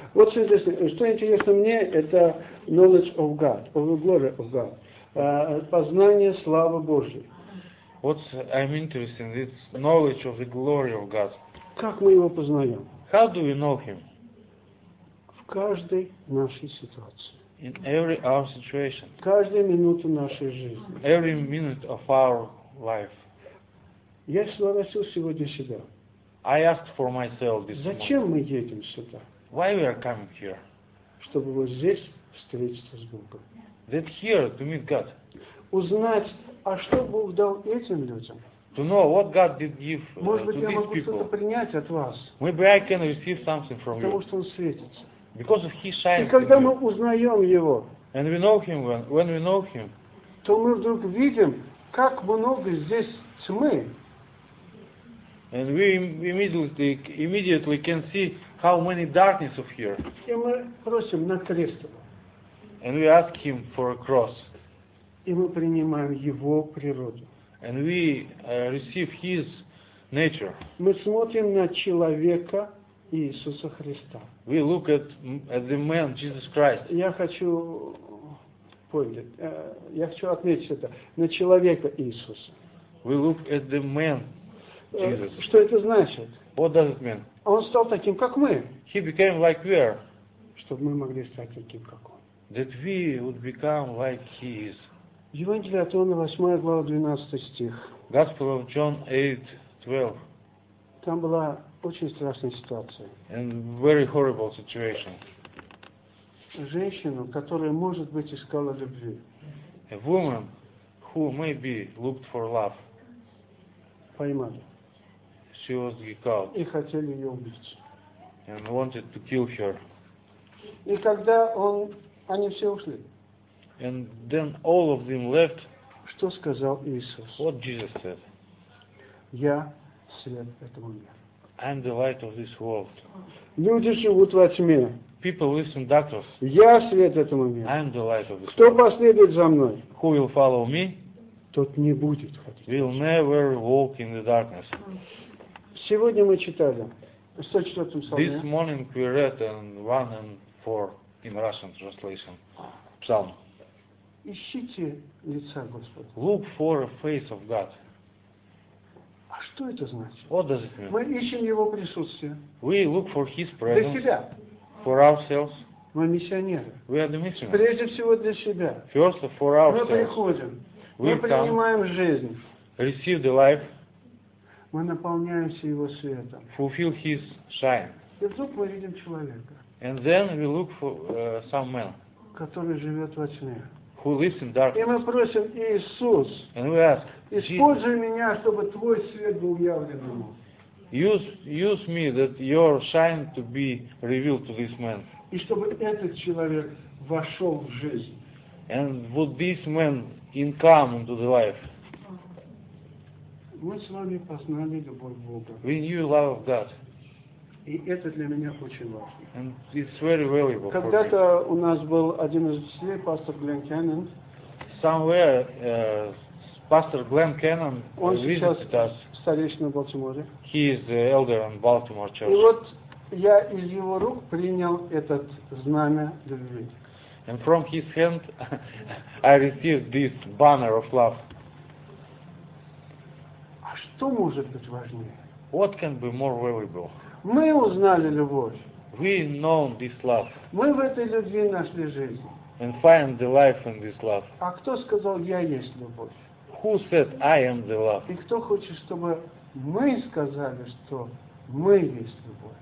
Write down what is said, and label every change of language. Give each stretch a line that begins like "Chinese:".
Russian: Вот что интересно, мне, это
English: knowledge of God, of the glory of God,
Russian: познание славы Божьей.
English: What I'm interested in is knowledge of the glory of God.
Russian: Как мы его познаем?
English: How do we know Him?
Russian: В каждой нашей ситуации.
English: In every our situation.
Russian: Каждую минуту нашей жизни.
English: Every minute of our life.
Russian: Я спросил сегодня себя.
English: I asked for myself this morning.
Russian: Зачем мы едем сюда?
English: Why we are coming here?
Russian: Чтобы вот здесь встретиться с Богом.
English: That here to meet God.
Russian: Узнать, а что Бог дал этим людям?
English: To know what God did give to these people.
Russian: Может быть, я могу что-то принять от вас?
English: Maybe I can receive something from you.
Russian: Потому что он светится.
English: Because of His shine.
Russian: И когда мы узнаем Его,
English: and we know Him when we know Him,
Russian: то мы вдруг видим, как много здесь тьмы.
English: And we immediately can see how many darkness of here.
Russian: И мы просим на крест.
English: And we ask Him for a cross.
Russian: И мы принимаем Его природу.
English: And we receive His nature.
Russian: Мы смотрим на человека Иисуса Христа.
English: We look at the man Jesus Christ.
Russian: Я хочу отметить это на человека Иисуса.
English: We look at the man Jesus.
Russian: Что это значит?
English: What does it mean?
Russian: Он стал таким, как мы.
English: He became like we are.
Russian: Чтобы мы могли стать таким, как он.
English: That we would become like he is.
Russian: Евангелие от Иоанна 8 глава 12 стих.
English: Gospel of John 8:12.
Russian: Там была очень страшная ситуация.
English: And very horrible situation.
Russian: Женщину, которая, может быть, искала любви.
English: A woman who maybe looked for love.
Russian: Поймали.
English: She was caught.
Russian: И хотели ее убить.
English: And wanted to kill her.
Russian: И когда они все ушли.
English: And then all of them left.
Russian: Что сказал Иисус?
English: What Jesus said?
Russian: Я свет этому миру.
English: I am the light of this world.
Russian: Люди живут во тьме.
English: People live in darkness.
Russian: Я свет этому миру.
English: I am the light of this
Russian: Кто
English: world.
Russian: Кто последует за мной?
English: Who will follow me?
Russian: Тот не будет ходить.
English: Will never walk in the darkness.
Russian: Сегодня мы читали 104-м псалме.
English: This morning we read and 1 and 4 in Russian translation. Psalm.
Russian: Ищите лица Господа.
English: Look for a face of God.
Russian: А что это значит?
English: What does it mean?
Russian: Мы ищем Его присутствие.
English: We look for His presence.
Russian: Для себя.
English: For ourselves.
Russian: Мы миссионеры.
English: We are the missionaries.
Russian: Прежде всего для себя.
English: First for ourselves.
Russian: Мы приходим. Мы принимаем жизнь.
English: Receive the life.
Russian: Мы наполняемся Его светом.
English: Fulfill His shine.
Russian: И вдруг мы видим человека.
English: And then we look for some man.
Russian: Который живет во тьме.
English: Who lives in darkness.
Russian: И мы просим Иисус.
English: And we ask.
Russian: Используй меня, чтобы твой свет был явлен ему.
English: Use me that your shine to be revealed to this man.
Russian: И чтобы этот человек вошел в жизнь.
English: And would this man come into the life?
Russian: Мы с вами познали любовь Бога.
English: We knew love of God.
Russian: И это для меня очень важно.
English: And it's very valuable.
Russian: Когда-то у нас был один из учителей, пастор Глен Кеннон.
English: Somewhere, pastor Glenn Cannon visited us.
Russian: Старейшина в Балтиморе.
English: He is the elder in Baltimore Church.
Russian: И вот я из его рук принял этот знамя любви.
English: And from his hand I received this banner of love.
Russian: А что может быть важнее?
English: What can be more valuable?
Russian: Мы узнали любовь.
English: We know this love.
Russian: Мы в этой любви нашли жизнь.
English: And find the life in this love.
Russian: А кто сказал, я есть любовь?
English: Who said I am the love?
Russian: И кто хочет, чтобы мы сказали, что мы есть любовь?